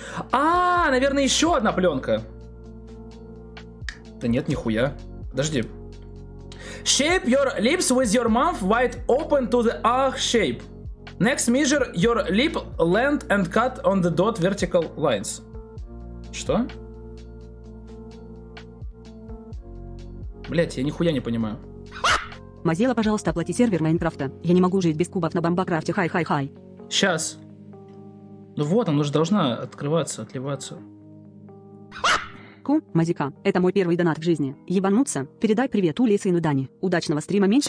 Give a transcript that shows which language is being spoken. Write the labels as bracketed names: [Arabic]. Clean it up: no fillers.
[Russian] А, наверное, еще одна пленка. Да нет, нихуя. Подожди. [English] Shape your lips with your mouth wide open to the ah shape. Next, measure your lip length and cut on the dot vertical lines. [Russian] Что? Блять, я нихуя не понимаю. Мазила, пожалуйста, оплати сервер Майнкрафта. Я не могу жить без кубов на Бомбакрафте. Хай-хай-хай. Сейчас. Ну вот, она же должна открываться, отливаться. Ку, Мазика, это мой первый донат в жизни. Ебануться, передай привет Уле и сыну Дани. Удачного стрима, меньше